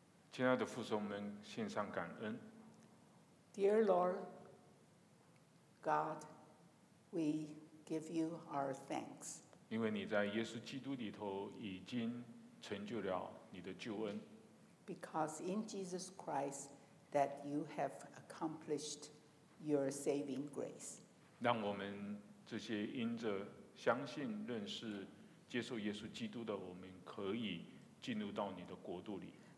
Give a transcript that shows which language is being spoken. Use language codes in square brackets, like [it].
[zh] 亲爱的父神，我们献上感恩。 [en] Dear Lord God, we give you our thanks. [zh] 因为你在耶稣基督里头已经成就了你的救恩。 [en] Because in Jesus Christ that you have accomplished your saving grace. [zh] 让我们这些因着相信、认识、接受耶稣基督的，我们可以进入到你的国度里。